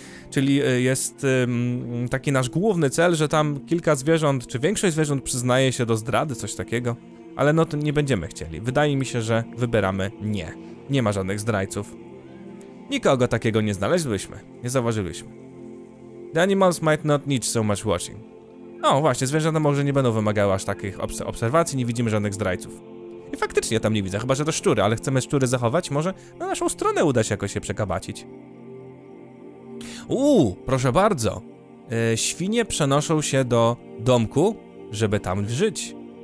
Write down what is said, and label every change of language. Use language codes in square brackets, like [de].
[pl] Czyli jest taki nasz główny cel, że tam kilka zwierząt, czy większość zwierząt przyznaje się do zdrady, coś takiego. Ale no to nie będziemy chcieli. Wydaje mi się, że wybieramy nie. Nie ma żadnych zdrajców. Nikogo takiego nie znaleźliśmy. Nie zauważyliśmy. [en] The animals might not need so much watching. [pl] O, właśnie, zwierzęta może nie będą wymagały aż takich obserwacji. Nie widzimy żadnych zdrajców. I faktycznie tam nie widzę, chyba że to szczury, ale chcemy szczury zachować. Może na naszą stronę uda się jakoś je przekabacić. Proszę bardzo. Świnie przenoszą się do domku, żeby tam żyć.